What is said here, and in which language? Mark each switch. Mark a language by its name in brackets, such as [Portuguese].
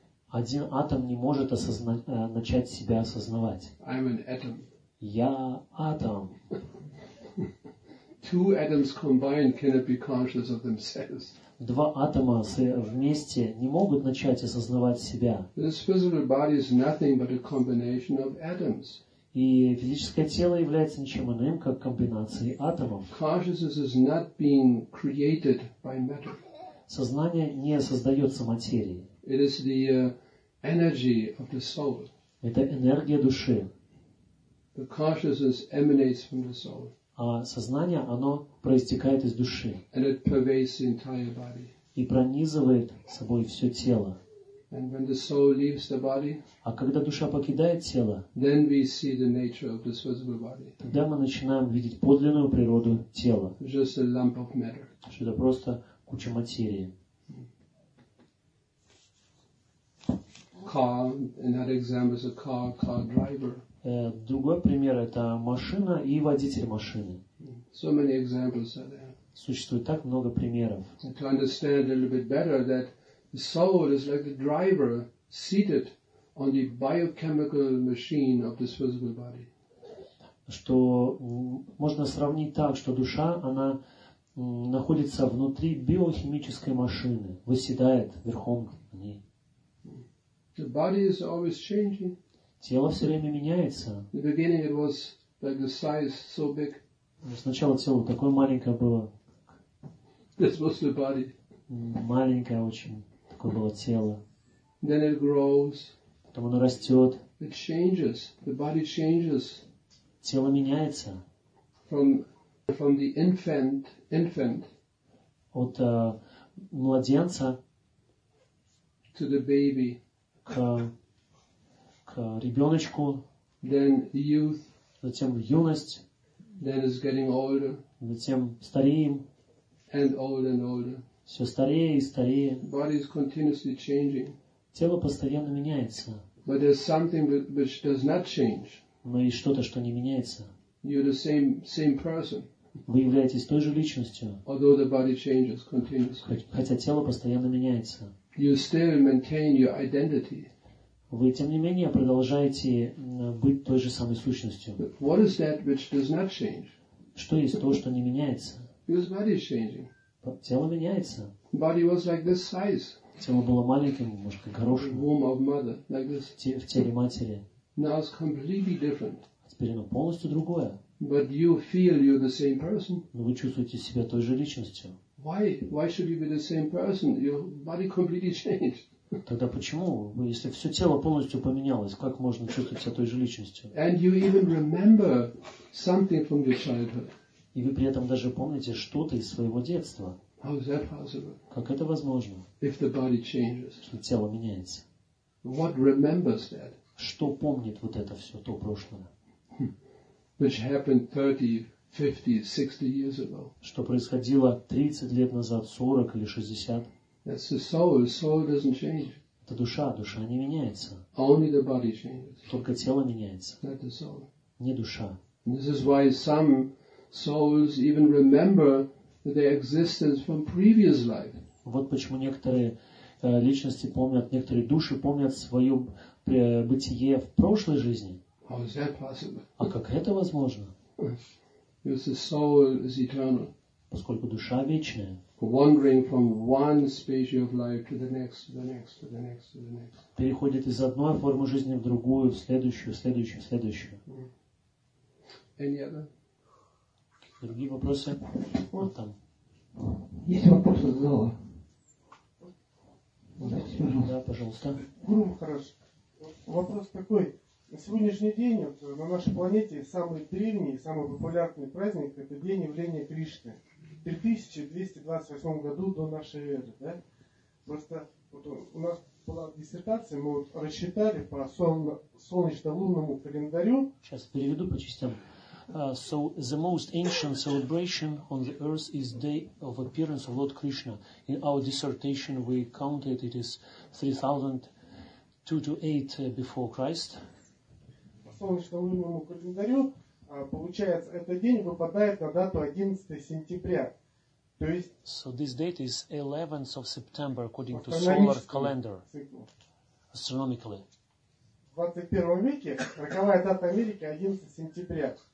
[Russian] Один атом не может начать себя осознавать. [English] I'm an atom. [Russian] Я атом. [English] Two atoms combined cannot be conscious of themselves. [Russian] Два атома вместе не могут начать осознавать себя. [English] This physical body is nothing but a combination of atoms. [Russian] И физическое тело является ничем иным, как комбинацией атомов. [English] Consciousness is not being created by matter. [Russian] Сознание не создается материей. [English] It is the energy of the soul. [Russian] Это энергия души. [English] The consciousness emanates from the soul. [Russian] А сознание, оно проистекает из души. [English] And it pervades the entire body. [Russian] И пронизывает собой все тело. [English] And when the soul leaves the body, [Russian] а когда душа покидает тело, [English] then we see the nature of this visible body. [Russian] Тогда мы начинаем видеть подлинную природу тела. [English] Just a lump of matter. [Russian] Что это просто куча материи. [English] Car, another example is a car, car driver. [Russian] Другой пример – это машина и водитель машины. [English] So many examples are there. [Russian] Существует так много примеров. [English] And to understand a little bit better that the soul is like the driver seated on the biochemical machine of this physical body. [Russian] Что можно сравнить так, что душа, она находится внутри биохимической машины, восседает верхом на ней. [English] The body is always changing. [Russian] Тело все время меняется. [English] In the beginning it was like the size so big. [Russian] Сначала тело такое маленькое было. [English] This was the body. [Russian] Маленькое очень. Было тело. [English] Then it grows. [Russian] Потом оно растет. [English] It changes. The body changes. [Russian] Тело меняется. [English] From the infant. [Russian] От младенца. [English] To the baby. [Russian] К ребеночку. [English] Then youth. [Russian] Затем юность. [English] Then it's getting older. [Russian] Затем стареем. [English] And older and older. [Russian] Все старее и старее. [English] Body is continuously changing. [Russian] Тело постоянно меняется. [English] But there's something which does not change. [Russian] Но есть что-то, что не меняется. [English] You're the same person. [Russian] Вы являетесь той же личностью. [English] Although the body changes continuously. [Russian] Хотя тело постоянно меняется. [English] You still maintain your identity. [Russian] Вы, тем не менее, продолжаете быть той же самой сущностью. [English] But what is that which does not change? [Russian] Что есть то, что не меняется? [English] Your body is changing. [Russian] Тело меняется. [English] Body was like this size. [Russian] Тело было маленьким, может, как горошина. [English] Womb of mother, like this. [Russian] В теле матери. [English] Now it's completely different. [Russian] Теперь оно полностью другое. [English] But you feel you're the same person. [Russian] Но вы чувствуете себя той же личностью. [English] Why? Why should you be the same person? Your body completely changed. [Russian] Тогда почему? Если все тело полностью поменялось, как можно чувствовать себя той же личностью? [English] And you even remember something from your childhood. [Russian] И вы при этом даже помните что-то из своего детства. Как это возможно? [English] If the body changes. [Russian] Что тело меняется. [English] What remembers that? [Russian] Что помнит вот это все, то прошлое? [English] Which happened 30, 50, 60 years ago. [Russian] Что происходило 30 лет назад, 40 или 60. [English] That's the soul. The soul doesn't change. [Russian] Это душа. Душа не меняется. [English] Only the body changes. [Russian] Только тело меняется. [English] Not the soul. [Russian] Не душа. [English] This is why some souls even remember their existence from previous life. [Russian] Вот почему некоторые личности помнят, некоторые души помнят свое бытие в прошлой жизни. [English] How is that possible? [Russian] А как это возможно? [English] Because the soul is eternal. [Russian] Поскольку душа вечная. [English] Wandering from one stage of life to the next, to the next, to the next, to the next. [Russian] Переходит из одной формы жизни в другую, в следующую, в следующую, в следующую. [English] Any other? [Russian] Другие вопросы? Вот там. Есть вопрос от зала. Да, пожалуйста. Гуру Махарадж, вопрос такой. На сегодняшний день вот, на нашей планете самый древний, самый популярный праздник – это День явления Кришны. В 3228 году до нашей эры. Да? Просто вот, у нас была диссертация, мы вот рассчитали по солнечно-лунному календарю. Сейчас переведу по частям. [English] So the most ancient celebration on the earth is day of appearance of Lord Krishna. In our dissertation, we counted it is 3,228 before Christ. [Russian] По солнечно-лунному календарю получается этот день выпадает на дату 11 сентября. То есть. [English] So this date is 11th of September according to solar calendar, astronomically. [Russian] 21 веке роковая дата Америки 11 сентября.